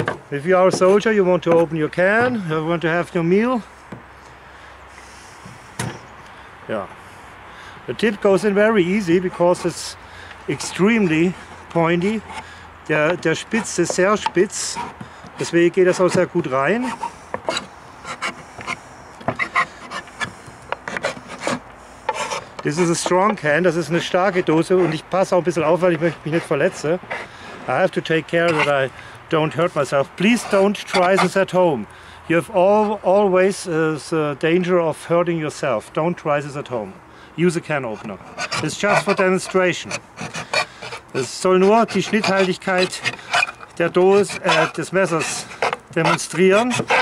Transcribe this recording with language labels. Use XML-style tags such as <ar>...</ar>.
<en>If you are a soldier, you want to open your can. You want to have your meal. Yeah. The tip goes in very easy because it's extremely pointy.</en> <de>Der Spitz ist sehr spitz, deswegen geht das auch sehr gut rein.</de> <en>This is a strong can,</en> <de>das ist eine starke Dose und ich passe auch ein bisschen auf, weil ich mich nicht verletze.</de> <en>I have to take care that I don't hurt myself. Please don't try this at home. You have always the danger of hurting yourself. Don't try this at home. Use a can opener. It's just for demonstration.</en> <de>Es soll nur die Schnitthaltigkeit der Dose, des Messers demonstrieren.</de>